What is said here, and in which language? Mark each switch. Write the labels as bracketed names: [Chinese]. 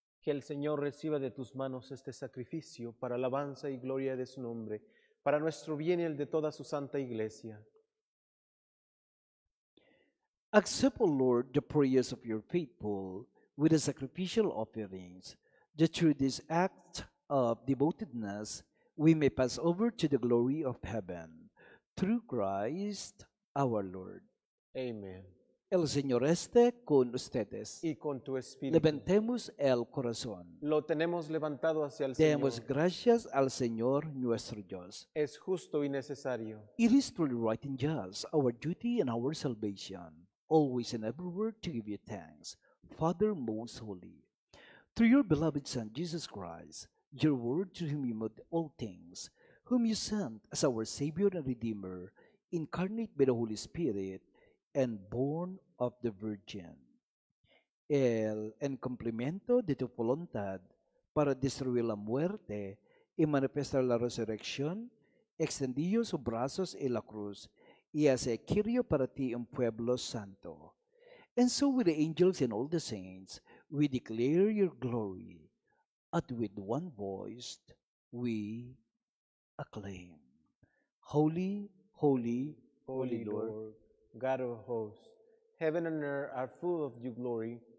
[Spanish] Que el Señor reciba de tus manos este sacrificio para alabanza y gloria de su nombre, para nuestro bien y el de toda su santa iglesia. [English] Accept, O Lord, the prayers of your people with the sacrificial offerings, that through this act of devotedness we may pass over to the glory of heaven. Through Christ our Lord. Amen. [Spanish] El Señor esté con ustedes. Y con tu espíritu. Levantemos el corazón. Lo tenemos levantado hacia el Demos Señor. Demos gracias al Señor nuestro Dios. Es justo y necesario. [English] It is truly right and just, our duty and our salvation, always and everywhere to give you thanks, Father most holy. Through your beloved Son, Jesus Christ, your word to whom you made all things, whom you sent as our Savior and Redeemer, incarnate by the Holy Spirit, and born of the Virgin. [Spanish] El en cumplimiento de tu voluntad para destruir la muerte y manifestar la resurrección, extendió sus brazos en la cruz y hace quirio para ti un pueblo santo. [English] And so with the angels and all the saints, we declare your glory, and with one voice we acclaim. Holy, holy, holy, holy Lord. God of hosts, heaven and earth are full of your glory.